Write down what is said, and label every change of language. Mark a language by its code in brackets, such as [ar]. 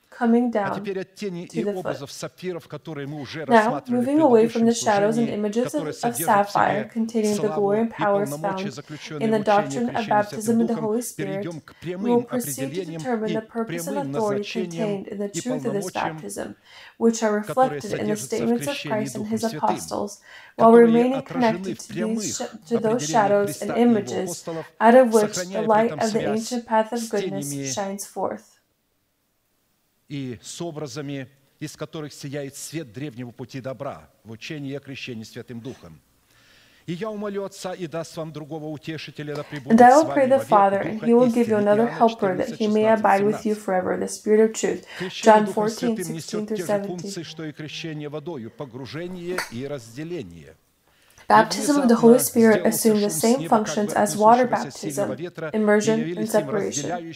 [en] Coming down to the foot. Now, moving away from the shadows and images of sapphire containing the glory and powers found in the doctrine of baptism in the Holy Spirit, we will proceed to determine the purpose and authority contained in the truth of this baptism, which are reflected in the statements of Christ and his apostles, while remaining connected to those shadows and images out of which the light of the ancient path of goodness shines forth. [ru] И с образами, из которых сияет свет древнего пути добра в учении и крещении Святым Духом. И я умолю Отца, и даст вам другого утешителя, да пребудет с вами вовек. [en] And I will pray the Father, and He will give you another Helper, that He may abide with you forever, the Spirit of Truth. John 14:16-17. Baptism of the Holy Spirit assumes the same functions as water baptism, immersion, and separation.